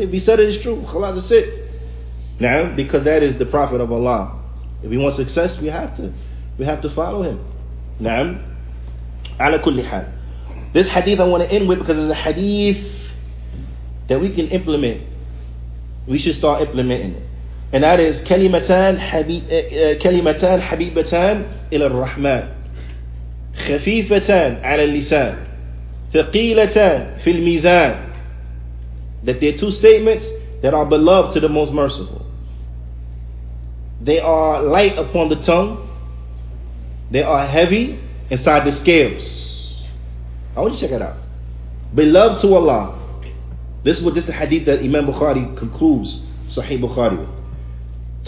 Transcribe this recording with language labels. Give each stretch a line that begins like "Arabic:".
English: If he said it, it's true, khalas, that's it. Now, because that is the Prophet of Allah. If we want success, we have to follow him. Now,
Arabic: ala kulli hal.
English: This hadith I want to end with because it's a hadith that we can implement. We should start implementing it. And that is
Arabic: كلمتان حبيبتان إلى الرحمن خفيفتان على اللسان ثقيلتان في الميزان.
English: That they're two statements that are beloved to the most merciful. They are light upon the tongue. They are heavy inside the scales. I want you to check it out. Beloved to Allah. This is the hadith that Imam Bukhari concludes Sahih Bukhari with.